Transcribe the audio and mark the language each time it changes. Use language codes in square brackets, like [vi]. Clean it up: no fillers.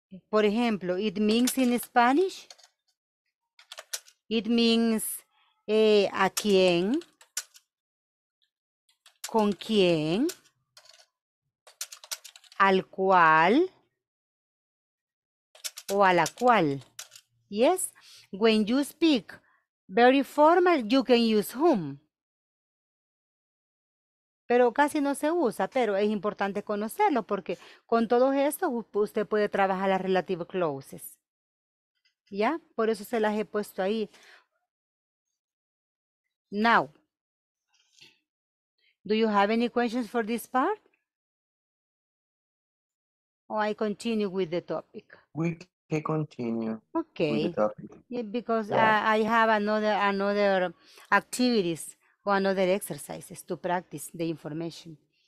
[es] Por ejemplo, [en] it means in Spanish. It means [es] a quién, con quién, al cual, o a la cual. [en] Yes? When you speak very formal, you can use whom. [es] Pero casi no se usa, pero es importante conocerlo porque con todo esto usted puede trabajar las [en] relative clauses. [es] ¿Ya? Por eso se las he puesto ahí. [en] Now, do you have any questions for this part? Or I continue with the topic? We continue. Okay. Yeah, because yeah. I have another activities or another exercises to practice the information.